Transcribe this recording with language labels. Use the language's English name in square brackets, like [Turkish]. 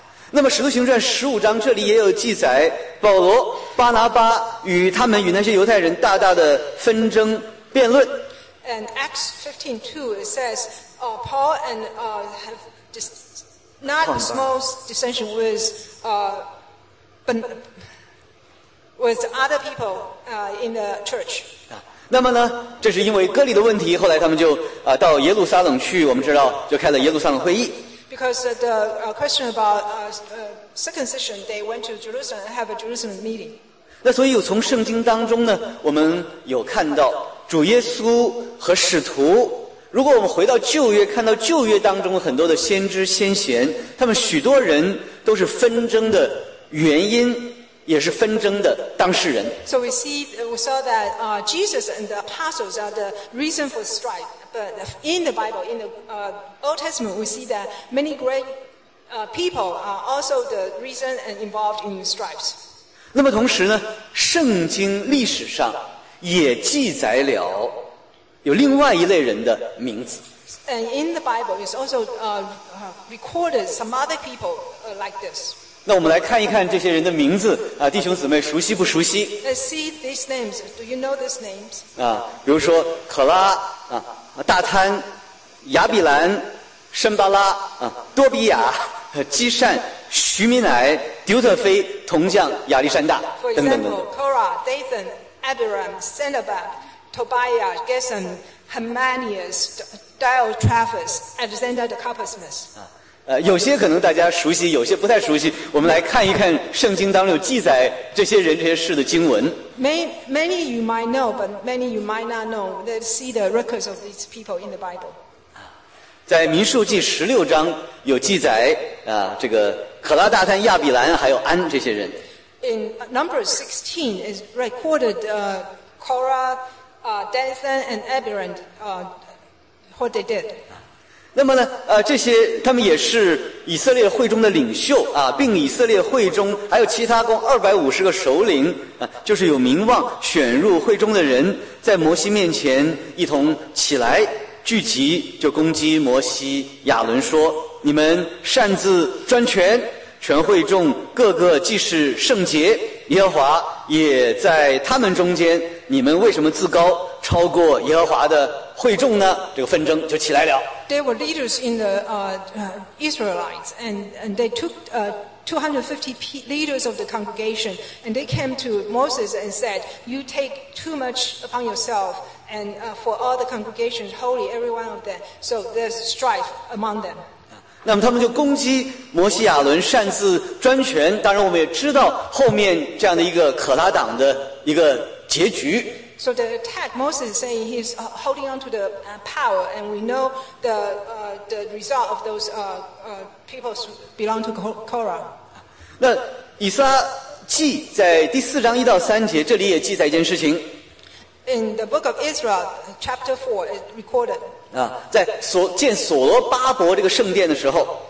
[Chinese] 那么使徒行传15，这里也有记载，保罗、巴拿巴与他们与那些犹太人大大的纷争辩论。 [English] And Acts 15:2 it says, Paul and have not a small dissension with other people in the church. [Chinese] 那么呢，这是因为割礼的问题，后来他们就到耶路撒冷去，我们知道就开了耶路撒冷会议。 [English] Because the question about circumcision, they went to Jerusalem and have a Jerusalem meeting. [Chinese] 那所以从圣经当中呢，我们有看到主耶稣和使徒。如果我们回到旧约，看到旧约当中很多的先知先贤，他们许多人都是纷争的原因，也是纷争的当事人。 [English] So we saw that Jesus and the apostles are the reason for strife. But in the Bible, in the Old Testament, we see that many great people are also the reason and involved in strifes. [Chinese] 那么同时呢，圣经历史上也记载了有另外一类人的名字。 [English] And in the Bible, it's also recorded some other people like this. [Chinese] 那我们来看一看这些人的名字啊，弟兄姊妹熟悉不熟悉 [English] ？Let's see these names. Do you know these names? [Chinese] 啊，比如说可拉啊，大贪、亚比兰、申巴拉啊、多比亚、基善、徐米乃、丢特菲、铜匠、亚历山大等等等等。 [English] Kora, Dathan, Abiram, Sanballat. Tobiah, Gesson, Hermanius, Diotrephus, Alexander the Coppersmith. [Chinese] 有些可能大家熟悉，有些不太熟悉。我们来看一看圣经当中有记载这些人这些事的经文。 [English] Many you might know, but many you might not know. Let's see the records of these people in the Bible. [Chinese] 在民数记16有记载，这个可拉大贪亚比兰还有安这些人。 [English] In Numbers 16 is recorded Korah, Dathan and Abiram, what they did. [Chinese] 那么呢，这些他们也是以色列会中的领袖啊，并以色列会中还有其他共250个首领啊，就是有名望选入会中的人，在摩西面前一同起来聚集，就攻击摩西亚伦说，你们擅自专权，全会众个个既是圣洁，耶和华也在他们中间，你们为什么自高超过耶和华的会众呢？这个纷争就起来了。 [English] There were leaders in the Israelites and they took 250 leaders of the congregation and they came to Moses and said, you take too much upon yourself and for all the congregations, holy every one of them, so there's strife among them. [Chinese] 那么他们就攻击摩西亚伦擅自专权，当然我们也知道后面这样的一个可拉党的一个结局。 [English] So the attack, Moses is saying he's holding on to the power, and we know the result of those peoples belong to Korah. [Chinese] 那以撒记在第四章一到三节，这里也记载一件事情。 [English] In the book of Israel, chapter 4, it recorded. [Chinese] 啊，在所建所罗巴伯这个圣殿的时候。